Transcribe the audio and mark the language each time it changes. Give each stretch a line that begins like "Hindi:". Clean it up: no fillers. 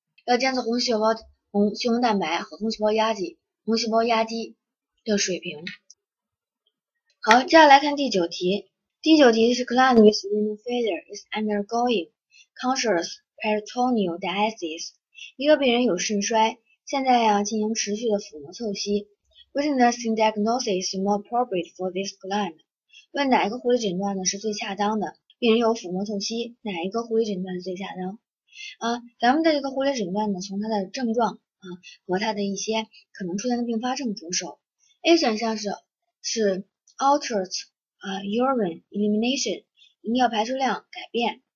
Chinese: 要监测红细胞、红蛋白和红细胞压积的水平。好，接下来看第九题。第九题是
English: client with renal failure is undergoing conscious peritoneal dialysis。
Chinese: 一个病人有肾衰，现在呀进行持续的腹膜透析。
English: Which is the diagnosis more appropriate for this client？
Chinese: 问哪一个护理诊断呢是最恰当的？病人有腹膜透析，哪一个护理诊断是最恰当？咱们的这个护理诊断呢，从它的症状啊和它的一些可能出现的并发症着手。 A 选项是
English: altered urine elimination
Chinese: 饮尿排出量改变。